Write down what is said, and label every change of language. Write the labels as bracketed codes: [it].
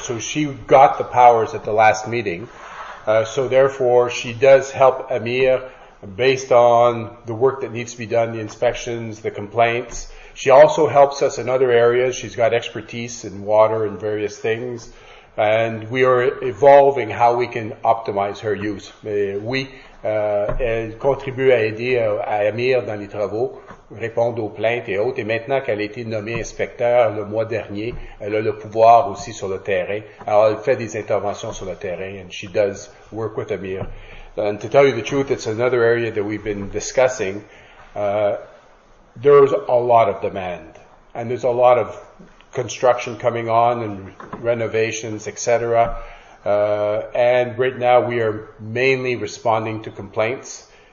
[en] So she got the powers at the last meeting. So therefore, she does help Amir based on the work that needs to be done, the inspections, the complaints. She also helps us in other areas. She's got expertise in water and various things. and we are evolving how we can optimize her use. [fr] Oui, elle contribue à aider à Amir dans les travaux, répondre aux plaintes et autres. Et maintenant qu'elle a été nommée inspecteur le mois dernier, elle a le pouvoir aussi sur le terrain. Alors, elle fait des interventions sur le terrain, [en] and she does work with Amir. And to tell you the truth, it's another area that we've been discussing. There's a lot of demand, and there's a lot of construction coming on and renovations, etc. And right now we are mainly responding to complaints.